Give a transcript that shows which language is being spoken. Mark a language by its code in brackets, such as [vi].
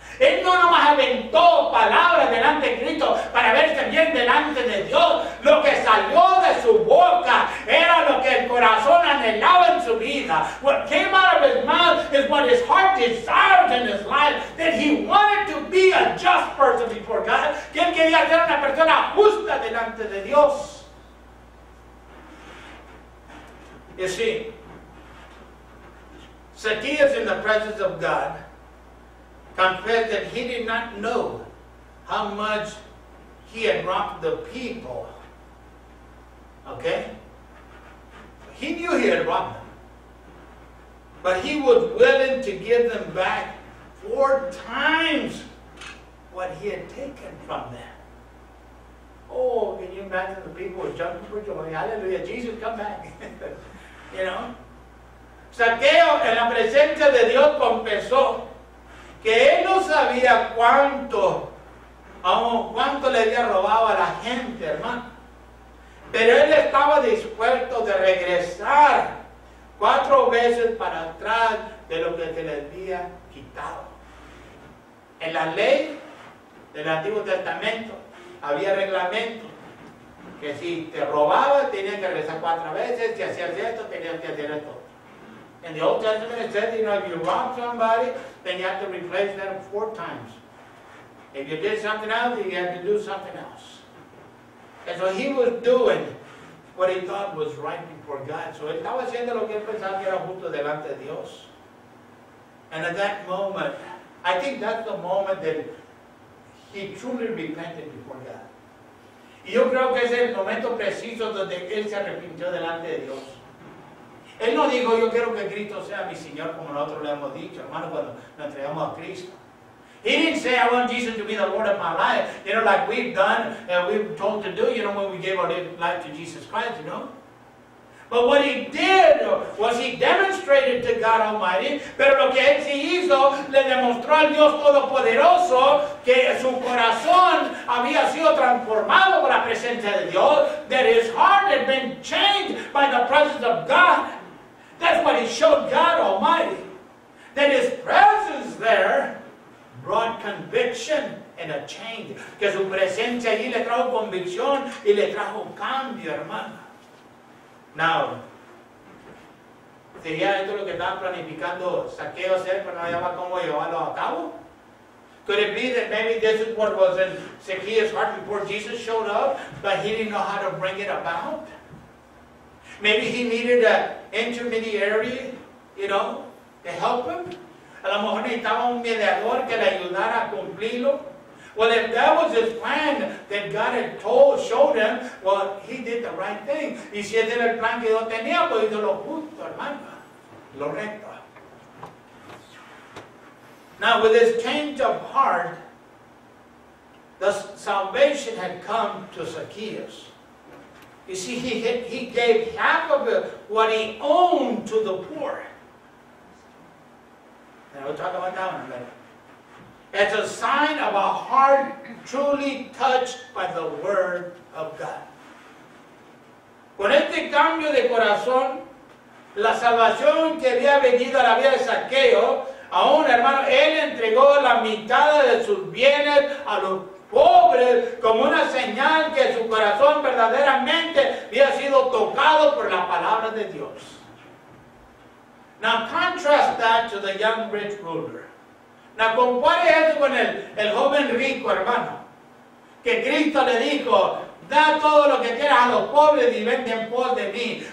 [es] Él no nomás aventó palabras delante de Cristo para verse bien delante de Dios. Lo que salió de su boca era lo que el corazón anhelaba en su vida. [en] What came out of his mouth is what his heart desired in his life, that he wanted to be a just person before God. [es] Que él quería ser una persona justa delante de Dios. [en] You see, Zacchaeus in the presence of God confessed that he did not know how much he had robbed the people. Okay? He knew he had robbed them. But he was willing to give them back four times what he had taken from them. Oh, can you imagine the people were jumping for joy? Hallelujah, Jesus, come back. You know? [es] Zacchaeo, en la presencia de Dios, confesó que él no sabía cuánto le había robado a la gente, hermano. Pero él estaba dispuesto de regresar cuatro veces para atrás de lo que se le había quitado. En la ley del Antiguo Testamento había reglamento que si te robaba tenías que regresar cuatro veces, si hacías esto tenías que hacer esto. [en] In the Old Testament, it said, you know, if you rob somebody, then you have to replace them four times. If you did something else, you have to do something else. And so he was doing what he thought was right before God. [es] So él estaba haciendo lo que él pensaba que era justo delante de Dios. [en] And at that moment, I think that's the moment that he truly repented before God. [es] Y yo creo que es el momento preciso donde él se arrepintió delante de Dios. Él no dijo, yo quiero que Cristo sea mi Señor, como nosotros le hemos dicho, hermano, cuando nos entregamos a Cristo. [en] He didn't say, I want Jesus to be the Lord of my life, you know, like we've done, and we've told to do, you know, when we gave our life to Jesus Christ, you know. But what he did was he demonstrated to God Almighty, [es] pero lo que él sí hizo, le demostró al Dios Todopoderoso que su corazón había sido transformado por la presencia de Dios, [en] that his heart had been changed by the presence of God. That's what he showed God Almighty. That his presence there brought conviction and a change. [es] Que su presencia allí le trajo convicción y le trajo cambio, hermano. Now, ¿sería esto lo que estaba planificando Zacchaeo hacer, pero no había cómo llevarlo a cabo? [en] Could it be that maybe this is what was in Zacchaeo's heart before Jesus showed up, but he didn't know how to bring it about? Maybe he needed an intermediary, you know, to help him? [es] A lo mejor necesitaba un mediador que le ayudara a cumplirlo. [en] Well, if that was his plan that God had showed him, well, he did the right thing. [es] Y si ese era el plan que yo tenía, pues hizo lo justo, hermano. Lo recto. [en] Now with this change of heart, the salvation had come to Zacchaeus. You see, he gave half of it, what he owned, to the poor. And we'll talk about that one a minute. It's a sign of a heart truly touched by the word of God. [es] Con este cambio de corazón, la salvación que había venido a la vida de Zaqueo, aún, hermano, él entregó la mitad de sus bienes a los pobres como una señal que su corazón verdaderamente había sido tocado por la palabra de Dios. [en] Now contrast that to the young rich ruler. Now compare [es] eso con el joven rico, hermano, que Cristo le dijo, da todo lo que quieras a los pobres y vente en pos de mí.